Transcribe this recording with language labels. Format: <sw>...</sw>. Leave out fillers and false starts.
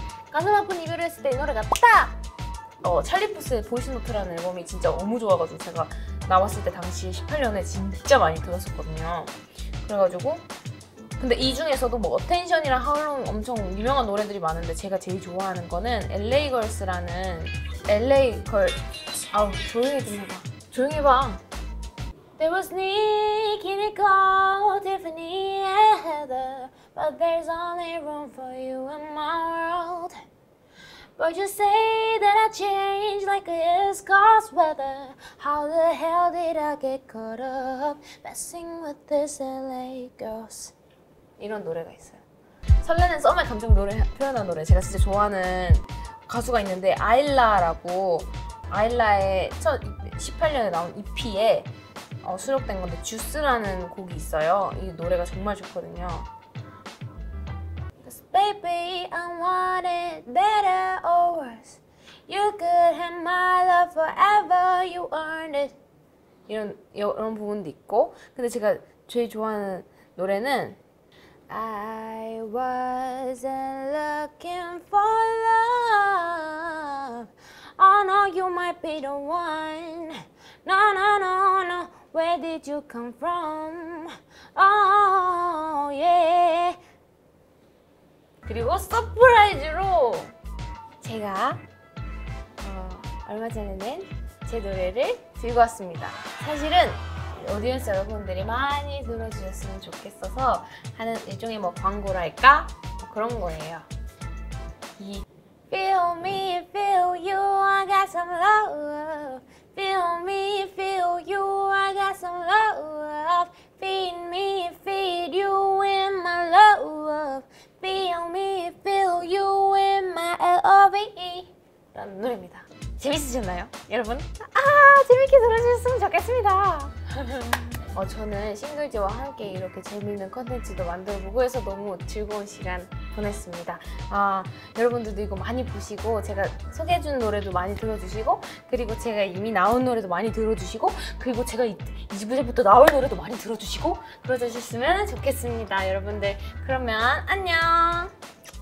<ko>가슴 아픈 이별을 했을 때 이 노래가 딱! 찰리 푸스의 보이스 노트라는 앨범이 진짜 너무 좋아가지고 제가 나왔을 때 당시 18년에 진짜 많이 들었었거든요. 그래가지고 근데 이 중에서도 뭐 어텐션이랑 하울롱 엄청 유명한 노래들이 많은데 제가 제일 좋아하는 거는 LA걸스라는 LA걸스 아우 조용히 좀 해봐. 조용히 해봐.</ko> <en>There was Nick in a call, Tiffany and Heather. But there's only room for you in my world. But you say that I changed like a East Coast weather. How the hell did I get caught up messing with this LA girls?</en> <ko>이런 노래가 있어요. 설레는 썸의 감정 노래 표현한 노래. 제가 진짜 좋아하는 가수가 있는데 아일라라고 아일라의 첫 18년에 나온 EP에 수록된 건데 주스라는 곡이 있어요. 이 노래가 정말 좋거든요.</ko> <en>Baby, I want it better or worse. You could have my love forever. You earned it.</en> <ko>이런 부분도 있고, 근데 제가 제일 좋아하는 노래는</ko> <en>I wasn't looking for love. I know you might be the one. No, no, no, no. Where did you come from? Oh, yeah.</en> <ko>그리고 서프라이즈로 제가 얼마 전에 낸 제 노래를 들고 왔습니다. 사실은 오디언스 여러분들이 많이 들어주셨으면 좋겠어서 하는 일종의 뭐 광고랄까? 뭐 그런 거예요.</ko> <en>Feel me, feel you, I got some love. Feel me, feel you, I got some love. Feed me, feed you with my love. Feel me, feel you in my love.</en> <ko>라는 노래입니다. 재밌으셨나요? 여러분? 재밌게 들어주셨으면 좋겠습니다. 저는 싱글즈와 함께 이렇게 재밌는 컨텐츠도 만들어보고 해서 너무 즐거운 시간 보냈습니다. 여러분들도 이거 많이 보시고 제가 소개해준 노래도 많이 들어주시고 그리고 제가 이미 나온 노래도 많이 들어주시고 그리고 제가 이제부터 나올 노래도 많이 들어주시고 그러셨으면 좋겠습니다. 여러분들 그러면 안녕!</ko>